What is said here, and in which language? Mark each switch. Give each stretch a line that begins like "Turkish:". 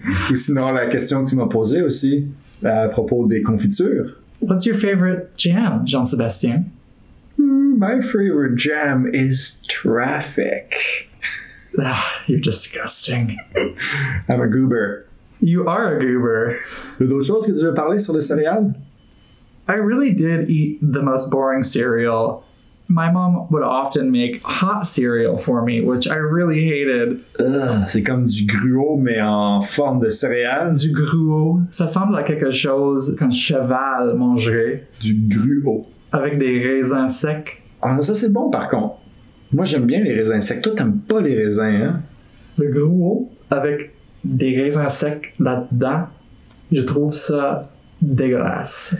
French: Ou sinon, la question que tu m'as posée aussi, à propos des confitures.
English: What's your favorite jam, Jean-Sébastien? My favorite jam is traffic. Ah, you're disgusting. I'm a goober. You are a goober.
French: Y a d'autres choses que tu veux parler sur les céréales?
English: I really did eat the most boring cereal. My mom would often make hot cereal for me, which I really hated.
French: C'est comme du gruau, mais en forme de céréales. Du gruau. Ça semble à quelque chose qu'un cheval mangerait. Du gruau. Avec des raisins secs. Ah, ça c'est bon par contre. Moi j'aime bien les raisins secs. Toi t'aimes pas les raisins, hein? Le gruau avec des raisins secs là-dedans, je trouve ça dégueulasse.